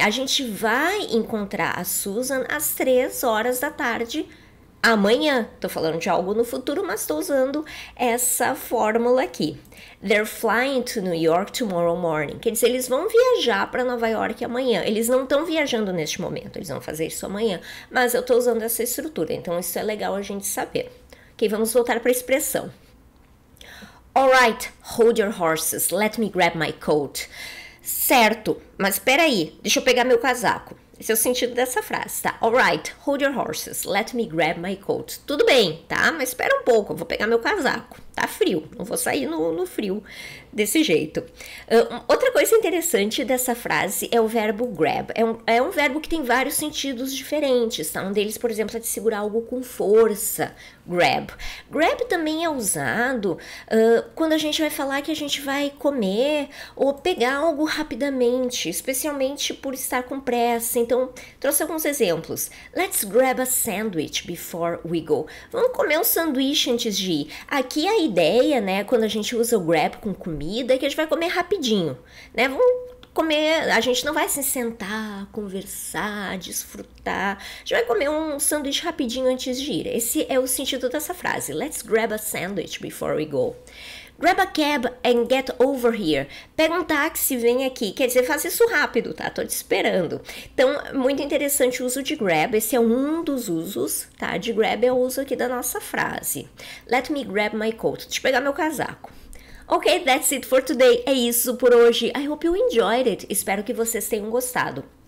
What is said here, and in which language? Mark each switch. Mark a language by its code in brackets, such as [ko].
[pt] A gente vai encontrar a Susan às 3 horas da tarde amanhã. Tô falando de algo no futuro, mas estou usando essa fórmula aqui. [en] They're flying to New York tomorrow morning. [pt] Quer dizer, eles vão viajar para Nova York amanhã. Eles não estão viajando neste momento, eles vão fazer isso amanhã. Mas eu tô usando essa estrutura, então isso é legal a gente saber. Ok, vamos voltar para a expressão. [en] All right, hold your horses, let me grab my coat. [pt] Certo, mas peraí, deixa eu pegar meu casaco. Esse é o sentido dessa frase, tá? [en] All right, hold your horses, let me grab my coat. [pt] Tudo bem, tá? Mas espera um pouco, eu vou pegar meu casaco. Tá frio, não vou sair no frio desse jeito. Outra coisa interessante dessa frase é o verbo grab. É um verbo que tem vários sentidos diferentes, tá? Um deles, por exemplo, é de segurar algo com força, grab. Grab também é usado quando a gente vai falar que a gente vai comer ou pegar algo rapidamente, especialmente por estar com pressa. Então, trouxe alguns exemplos. [en] Let's grab a sandwich before we go. [pt] Vamos comer um sanduíche antes de ir. Aqui a ideia, né, quando a gente usa o grab com comida, é que a gente vai comer rapidinho, né? Vamos comer, a gente não vai se sentar, conversar, desfrutar. A gente vai comer um sanduíche rapidinho antes de ir. Esse é o sentido dessa frase. [en] Let's grab a sandwich before we go. Grab a cab and get over here. [pt] Pega um táxi, vem aqui. Quer dizer, faz isso rápido, tá? Tô te esperando. Então, muito interessante o uso de grab. Esse é um dos usos, tá? De grab é o uso aqui da nossa frase. [en] Let me grab my coat. [pt] Deixa eu pegar meu casaco. [en] Ok, that's it for today. [pt] É isso por hoje. [en] I hope you enjoyed it. [pt] Espero que vocês tenham gostado.